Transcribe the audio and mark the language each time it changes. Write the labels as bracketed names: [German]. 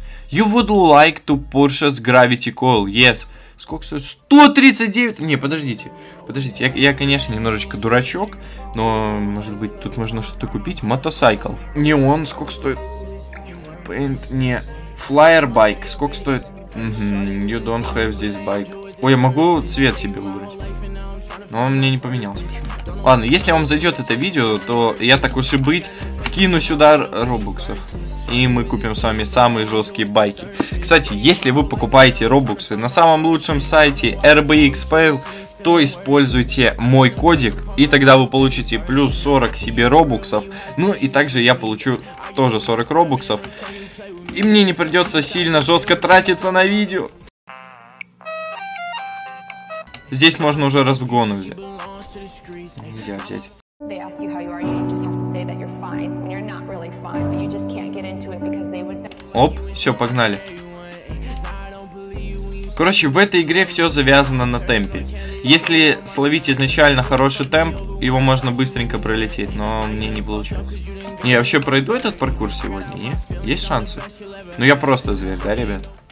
[English] You would like to Porsche Gravity Coil, yes. [Russian] Сколько стоит? 139! Не, подождите, я конечно немножечко дурачок, но может быть тут можно что-то купить? Мотоцикл. Не он, сколько стоит? [English] Paint, [Russian] не. Flyer bike, сколько стоит? [English] You don't have this bike. [Russian] Ой, я могу цвет себе выбрать. Но он мне не поменялся. Ладно, если вам зайдет это видео, то я так уж и быть... Кину сюда робоксов, и мы купим с вами самые жесткие байки. Кстати, если вы покупаете робоксы на самом лучшем сайте RBX-Fail, то используйте мой кодик, и тогда вы получите плюс 40 себе робоксов. Ну и также я получу тоже 40 робоксов, и мне не придется сильно жестко тратиться на видео. Здесь можно уже разгон взять. Нельзя взять. [English] They ask you how you are, you just have to say that you're fine, when you're not really fine, but you just can't get into it because they would... [Russian] Оп, все, погнали. Короче, в этой игре все завязано на темпе. Если словить изначально хороший темп, его можно быстренько пролететь, но мне не получилось. Не, я вообще пройду этот паркур сегодня, не? Есть шансы? Ну я просто зверь, да, ребят?